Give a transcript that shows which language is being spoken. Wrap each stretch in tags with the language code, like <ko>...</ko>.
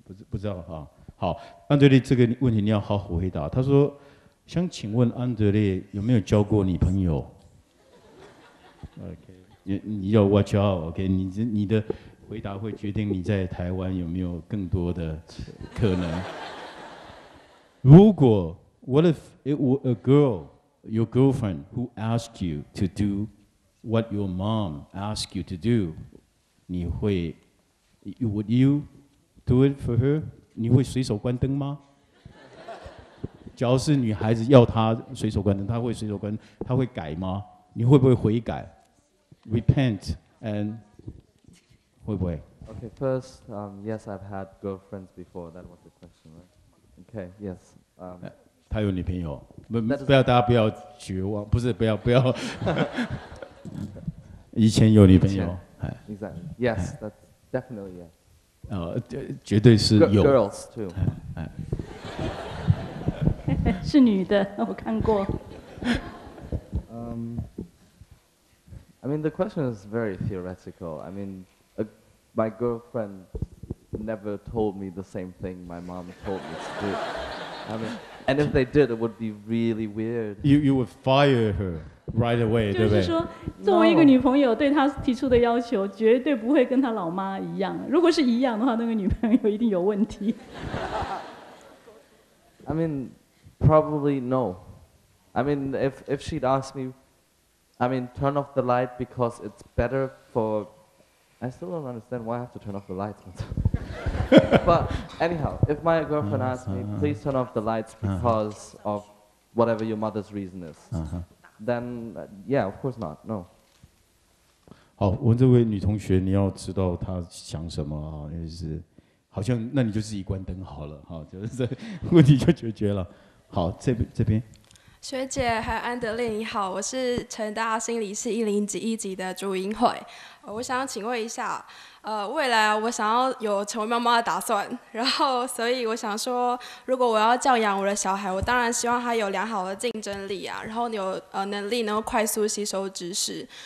<zh>不知道哈。好，安德烈这个问题你要好好回答。他说：“想请问安德烈有没有交过女朋友 ？”OK， 你要</zh> <en>watch out，</en> <zh>OK，、okay? 你的。回答会决定你在台湾有没有更多的可能。如果</zh> <en>What if it were a girl, your girlfriend, who asked you to do what your mom asked you to do,</en> <zh>你会</zh> <en>Would you do it for her?</en> <zh>你会随手关灯吗？假如是女孩子要她随手关灯，她会随手关，她会改吗？你会不会悔改 ？</zh> <en>Repent and</en> <zh>会不会</zh> <en>？Okay, first, yes, I've had girlfriends before. That was the question, right? Okay, yes.</en> <zh>他有女朋友，不要，大家不要绝望，不是，不要。以前有女朋友，</zh> <en>哎 ，Exactly. Yes, that's definitely yes.</en> <zh>绝对是有。</zh> <en>Girls too.</en> <zh>是女的，我看过。</zh> <en>I mean, the question is very theoretical. I mean. My girlfriend never told me the same thing my mom told me to do. I mean, and if they did, it would be really weird. You would fire her right away,</en> <zh>就是说，作为一个女朋友，对她提出的要求绝对不会跟她老妈一样。如果是一样的话，那个女朋友一定有问题。</zh> <en>I mean, probably no. I mean, if she'd ask me, I mean, turn off the light because it's better for. I still don't understand why I have to turn off the lights. But anyhow, if my girlfriend asked me, please turn off the lights because of whatever your mother's reason is, then yeah, of course not, no.</en> <zh>好，问这位女同学，你要知道她想什么啊？就是，好像那你就自己关灯好了，好，就是这问题就解决了。好，这边。学姐和安德烈你好，我是成大心理系101级的朱英慧，我想请问一下，未来我想要有成为妈妈的打算，然后所以我想说，如果我要教养我的小孩，我当然希望他有良好的竞争力啊，然后有能力能够快速吸收知识。</zh>